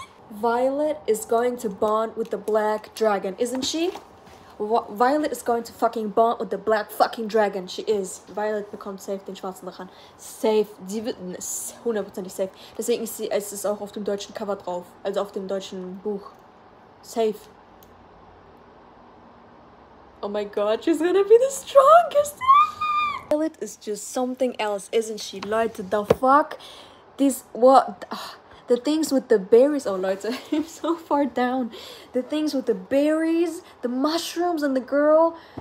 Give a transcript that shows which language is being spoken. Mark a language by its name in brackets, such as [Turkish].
[English] Violet is going to bond with the black dragon, isn't she? Violet is going to fucking bond with the black fucking dragon. She is. [German] Violet bekommt safe den schwarzen Drachen. Safe. Sie wird 100% safe. Deswegen ist sie, es ist auch auf dem deutschen Cover drauf. Also auf dem deutschen Buch. Safe. [English] Oh my god, she's gonna be the strongest. Violet is just something else, isn't she? Leute, the fuck? This, what? The things with the berries, oh Leute, I'm so far down. The things with the berries, the mushrooms and the girl.